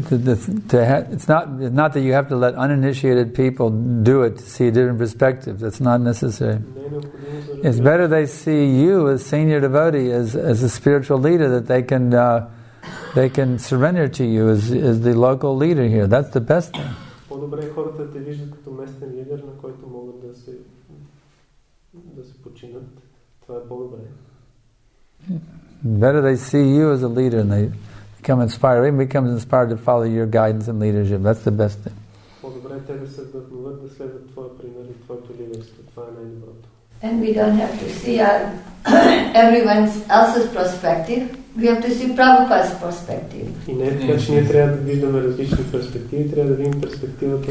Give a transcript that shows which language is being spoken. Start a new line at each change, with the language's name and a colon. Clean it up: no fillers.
English: It's not that you have to let uninitiated people do it to see a different perspective. That's not necessary. It's better they see you as senior devotee, as a spiritual leader, that they can. They can surrender to you as the local leader here. That's the best thing.
Bulgarian: По-добре хората те виждат като местен лидер, на който могат да се починат. Това е по-добре.
English: Better they see you as a leader and they become inspired. Everyone becomes inspired to follow your guidance and leadership. That's the best thing.
Bulgarian: По-добре те да се вдъхновят да следват твоя пример и твоето лидерство. Това е най-доброто.
English: And we don't have to see our everyone else's perspective. We have to see Prabhupada's perspective.
Bulgarian: И не е че ние трябва да виждаме различни перспективи, трябва да видим перспективата.